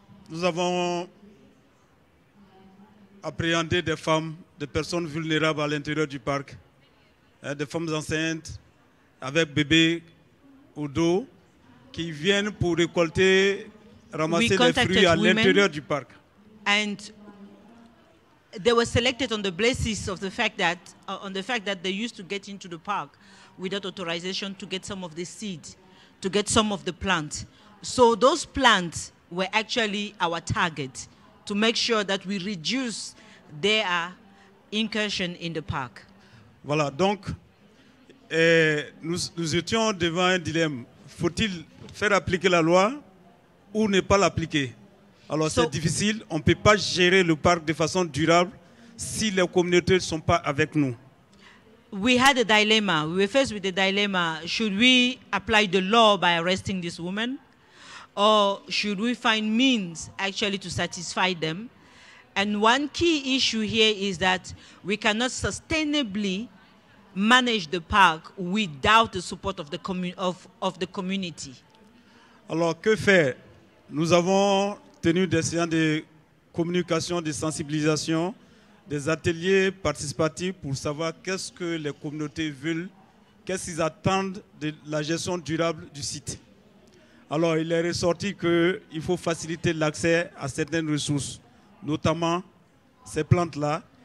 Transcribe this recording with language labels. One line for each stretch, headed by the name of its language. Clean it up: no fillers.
French: Nous avons appréhendé des femmes, des personnes vulnérables à l'intérieur du parc, des femmes enceintes avec bébés au dos qui viennent pour récolter, ramasser des fruits à l'intérieur du parc.
English: And they were selected on the basis of the fact that on the fact that they used to get into the park without authorization to get some of the seed, to get some of the plants. So those plants were actually our target to make sure that we reduce their incursion in the park.
French: Voilà, donc nous étions devant un dilemme. Faut-il faire appliquer la loi ou ne pas l'appliquer? Alors c'est difficile, on ne peut pas gérer le parc de façon durable si les communautés ne sont pas avec nous.
English: We had a dilemma. We were faced with a dilemma. Should we apply the law by arresting this woman? Or should we find means actually to satisfy them? And one key issue here is that we cannot sustainably manage the park without the support of the community.
French: Alors que faire? Nous avons tenu des séances de communication, de sensibilisation, des ateliers participatifs pour savoir qu'est-ce que les communautés veulent, qu'est-ce qu'ils attendent de la gestion durable du site. Alors, il est ressorti qu'il faut faciliter l'accès à certaines ressources, notamment ces plantes-là.